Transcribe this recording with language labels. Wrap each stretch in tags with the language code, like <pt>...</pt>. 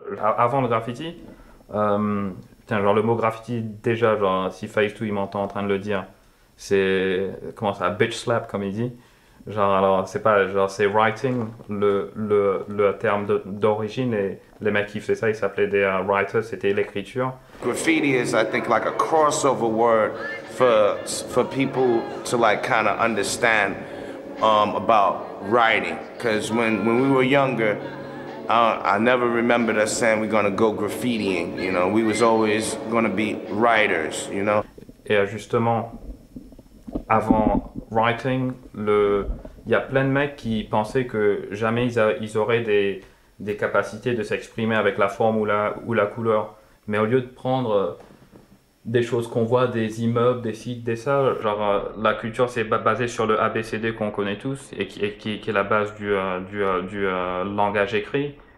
<fr>Avant le graffiti, genre le mot graffiti, déjà genre si Face 2 il m'entend en train de le dire, c'est comment ça,</fr> <en>bitch slap</en> <fr>comme il dit, genre alors c'est pas genre c'est writing le terme d'origine et les mecs qui faisaient ça ils s'appelaient des writers, c'était l'écriture.</fr> <en>Graffiti is I think like a crossover word for people to like kind of understand about writing, because when we were younger, I never remembered us saying we're gonna go graffitiing, you know, we was always gonna be writers, you know.</en> <fr>Et justement avant writing, le il y a plein de mecs qui pensaient que jamais ils auraient des capacités de s'exprimer avec la forme ou la couleur. Mais au lieu de prendre des choses qu'on voit, des immeubles, des sites, des salles, genre la culture c'est basé sur le ABCD qu'on connaît tous et qui est la base du langage écrit.</fr>